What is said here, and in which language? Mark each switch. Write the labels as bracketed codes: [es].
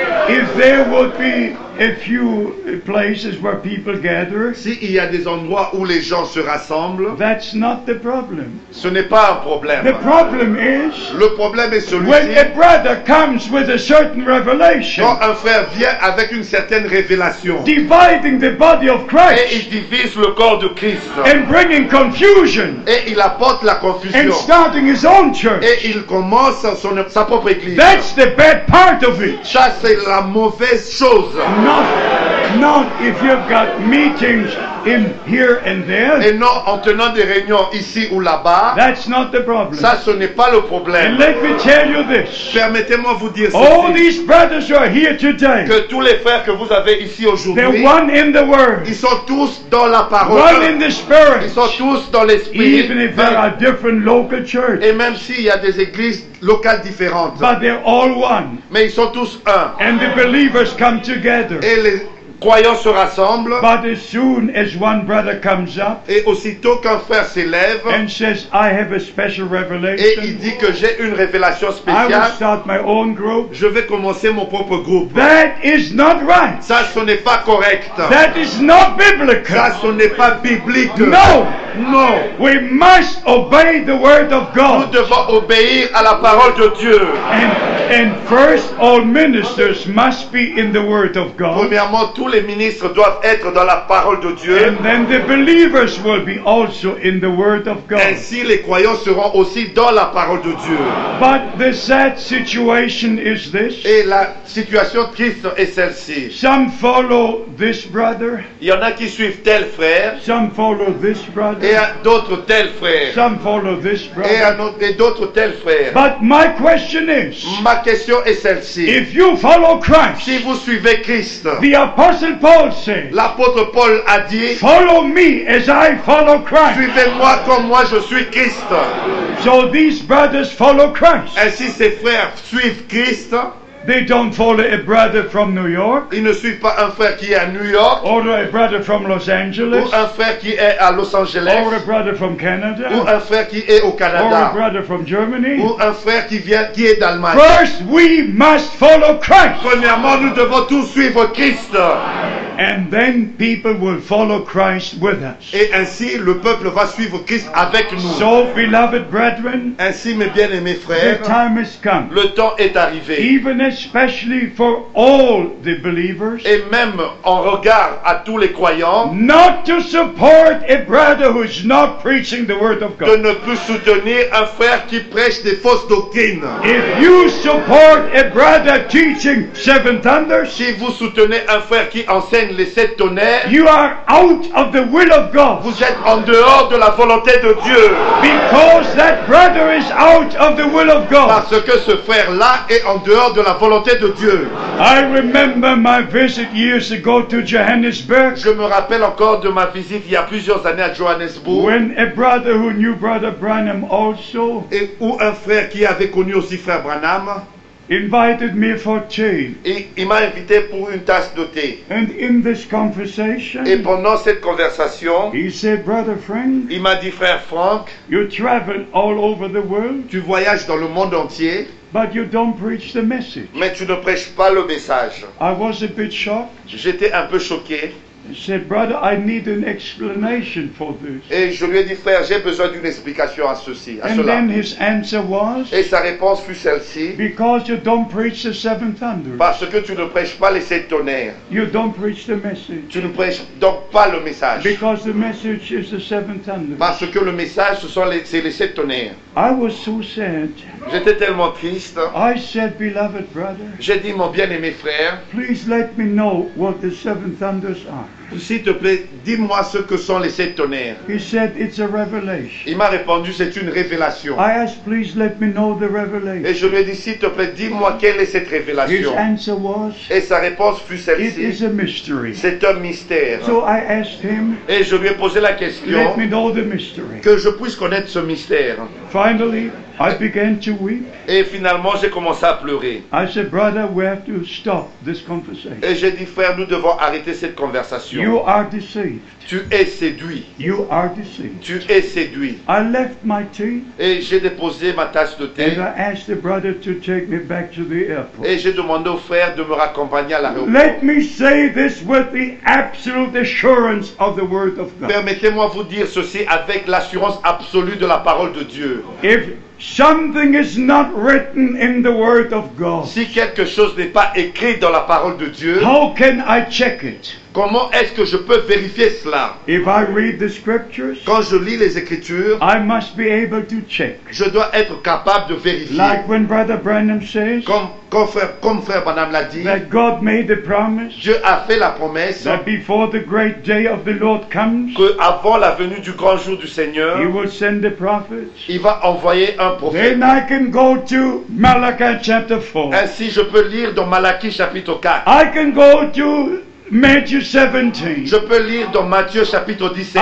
[en] If there would be a few places where people gather, [fr] si il y a des endroits où les gens se rassemblent, [en] that's not the problem. [fr] Ce n'est pas un problème. [en] The problem is, [fr] le problème est celui-ci. [en] When a brother comes with a certain revelation, [fr] quand un frère vient avec une certaine révélation, [en] dividing the body of Christ, [fr] et il divise le corps de Christ, [en] and bringing confusion, [fr] et il apporte la confusion, [en] and starting his own church, [fr] et il commence sa propre église. [en] That's the bad part of it. [fr] Ça, c'est la mauvaise chose. [en] Not if you've got meetings in here and there. [fr] Et non en tenant des réunions ici ou là-bas. [en] That's not the problem. [fr] Ça, ce n'est pas le problème. [en] And let me tell you this. [fr] Permettez-moi vous dire ceci. [en] All these brothers are here today. [fr] Que tous les frères que vous avez ici aujourd'hui. [en] They're one in the word. [fr] Ils sont tous dans la parole. [en] One in the spirit. [fr] Ils sont tous dans l'esprit. [en] Even if there are different local churches. [fr] Et même s'il y a des églises locales différentes. [en] But they're all one. [fr] Mais ils sont tous un. [en] And the believers come together. [fr] Et les croyants se rassemblent. [en] But as soon as one brother comes up, [fr] et aussitôt qu'un frère s'élève, [en] and says, I have a special revelation, [fr] et il dit que j'ai une révélation spéciale, [en] I will start my own group. [fr] Je vais commencer mon propre groupe. [en] That is not right. [fr] Ça, ce n'est pas correct. [en] That is not biblical. [fr] Ça, ce n'est pas biblique. [en] No. No. We must obey the word of God. [fr] Nous devons obéir à la parole de Dieu. [en] And first, all ministers must be in the word of God. [fr] Premièrement, tous les ministres doivent être dans la parole de Dieu. [en] And then the believers will be also in the word of God. [fr] Ainsi, les croyants seront aussi dans la parole de Dieu. [en] But the sad situation is this. [fr] Et la situation triste est celle-ci. [en] Some follow this brother. [fr] Il y en a qui suivent tel frère. [en] Some follow this brother. [fr] Et à d'autres tels frères. [en] Some follow this brother. [fr] Et d'autres tels frères. [en] But my question is, [fr] ma question est celle-ci. [en] If you follow Christ, [fr] si vous suivez Christ, [en] the Apostle Paul said, [fr] l'apôtre Paul a dit, [en] follow me as I follow Christ. [fr] Suivez-moi comme moi je suis Christ. [en] So these brothers follow Christ. [fr] Ainsi ces frères suivent Christ. [en] They don't follow a brother from New York. [fr] Ils ne suivent pas un frère qui est à New York. [en] Or a brother from Los Angeles. [fr] Ou un frère qui est à Los Angeles. [en] Or a brother from Canada. [fr] Ou un frère qui est au Canada. [en] Or a brother from Germany. [fr] Ou un frère qui est d'Allemagne. [en] First, we must follow Christ. [fr] Premièrement, nous devons tous suivre Christ. [en] And then people will follow Christ with us. [fr] Et ainsi le peuple va suivre Christ avec nous. [en] So, beloved brethren, [fr] ainsi mes bien-aimés frères, [en] the time has come. [fr] Le temps est arrivé. [en] Even especially for all the believers. [fr] Et même en regard à tous les croyants. [en] Not to support a brother who is not preaching the word of God. [fr] De ne plus soutenir un frère qui prêche des fausses doctrines. [en] If you support a brother teaching seven thunders, [fr] si vous soutenez un frère qui enseigne les sept tonnerres, [en] you are out of the will of God. [fr] Vous êtes en dehors de la volonté de Dieu. [en] Because that brother is out of the will of God. [fr] Parce que ce frère là est en dehors de la volonté de Dieu. [en] I remember my visit years ago to Johannesburg. [fr] Je me rappelle encore de ma visite il y a plusieurs années à Johannesburg. [en] When a brother who knew Brother Branham also. [fr] Et où un frère qui avait connu aussi Frère Branham. [en] Invited me for tea. [fr] Et il m'a invité pour une tasse de thé. [en] And in this conversation, [fr] et pendant cette conversation, [en] he said, Brother Frank, [fr] il m'a dit, Frère Frank, [en] you travel all over the world, [fr] tu voyages dans le monde entier, [en] but you don't preach the message. [fr] Mais tu ne prêches pas le message. [en] I was a bit shocked. [fr] J'étais un peu choqué. [en] said, "Brother, I need an explanation for this." [fr] Et je lui ai dit, frère, j'ai besoin d'une explication à ceci, à [en] And [fr] cela. [en] Then his answer was, [fr] et sa réponse fut celle-ci. [en] Because you don't preach the seven thunders. [fr] Parce que tu ne prêches pas les sept tonnerres. [en] You don't preach the message. [fr] Tu ne prêches donc pas le message. [en] Because the message is the seven thunders. [fr] Parce que le message, c'est les sept tonnerres. [en] I was so sad. [fr] J'étais tellement triste. [en] I said, "Beloved brother." [fr] J'ai dit, mon bien-aimé frère. [en] Please let me know what the seven thunders are. [fr] S'il te plaît, dis-moi ce que sont les sept tonnerres. [en] He said, "It's a revelation." [fr] Il m'a répondu, c'est une révélation. [en] I asked, "Please let me know the revelation." [fr] Et je lui ai dit, s'il te plaît, dis-moi quelle est cette révélation. [en] His answer was, [fr] et sa réponse fut celle-ci. [en] "It is a mystery." [fr] C'est un mystère. [en] So I asked him, [fr] et je lui ai posé la question, [en] "Let me know the mystery." [fr] Que je puisse connaître ce mystère. [en] Finally, I began to weep. [fr] Et finalement, j'ai commencé à pleurer. [en] I said, "Brother, we have to stop this conversation." [fr] Et j'ai dit, frère, nous devons arrêter cette conversation. [en] You are deceived. [fr] Tu es séduit. [en] You are deceived. [fr] Tu es séduit. [en] I left my tea. [fr] Et j'ai déposé ma tasse de thé. [en] And I asked the brother to take me back to the airport. [fr] Et j'ai demandé au frère de me raccompagner à l'aéroport. [en] Let me say this with the absolute assurance of the word of God. [fr] Permettez-moi vous dire ceci avec l'assurance absolue de la parole de Dieu. [en] If something is not written in the word of God, [fr] si quelque chose n'est pas écrit dans la parole de Dieu, [en] how can I check it? [fr] Comment est-ce que je peux vérifier cela? [en] If I read the scriptures, [fr] quand je lis les écritures, [en] I must be able to check. [fr] Je dois être capable de vérifier. [en] Like when Brother Branham says, [fr] comme frère Branham l'a dit, [en] that God made the promise, [fr] Dieu a fait la promesse, [en] that before the great day of the Lord comes, [fr] que avant la venue du grand jour du Seigneur, [en] he will send the prophets. [fr] Il va envoyer un prophète. [en] Then I can go to Malachi chapter 4. [fr] Ainsi, je peux lire dans Malachi chapitre 4. [en] I can go to Matthew 17. [fr] Je peux lire dans Matthieu chapitre 17.